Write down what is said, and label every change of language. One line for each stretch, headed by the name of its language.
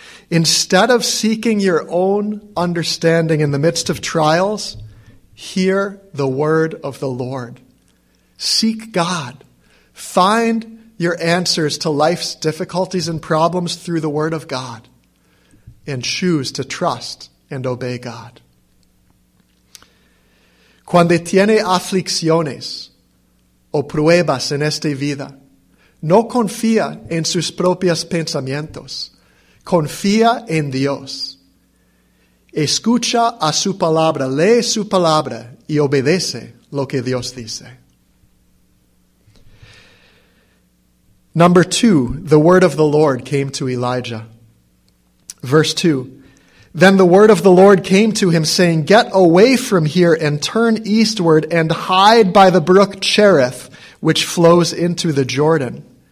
English: Instead of seeking your own understanding in the midst of trials, hear the word of the Lord. Seek God. Find your answers to life's difficulties and problems through the word of God, and choose to trust and obey God.
Spanish: Cuando tiene aflicciones o pruebas en esta vida, no confía en sus propios pensamientos. Confía en Dios. Escucha a su palabra, lee su palabra y obedece lo que Dios dice.
English: Number two, the word of the Lord came to Elijah. Verse 2, then the word of the Lord came to him, saying, get away from here and turn eastward and hide by the brook Cherith, which flows into the Jordan.